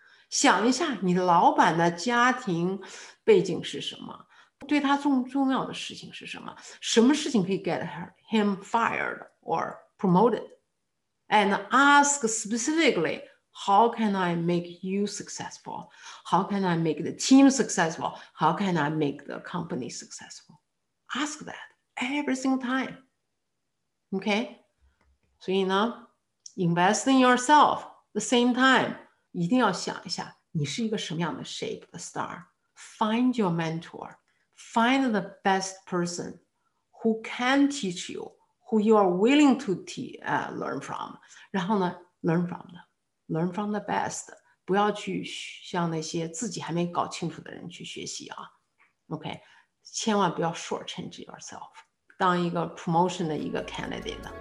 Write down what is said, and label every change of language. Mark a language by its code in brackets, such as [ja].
[zh] 想一下你老板的家庭背景是什么？对他重重要的事情是什么？什么事情可以 [en] get him fired or promoted？ And ask specifically， how can I make you successful？ How can I make the team successful？ How can I make the company successful？ Ask that every single time。 Okay， [zh] 所以呢 [en] invest in yourself， the same time [zh] 一定要想一下你是一个什么样的 [en] shape the star。 Find your mentorFind the best person who can teach you, who you are willing to learn from. [zh] 然后呢 [en] ，learn from them, learn from the best. [zh] 不要去向那些自己还没搞清楚的人去学习啊。 OK， 千万不要 [en] shortchange yourself， [zh] 当一个 promotion 的一个 candidate。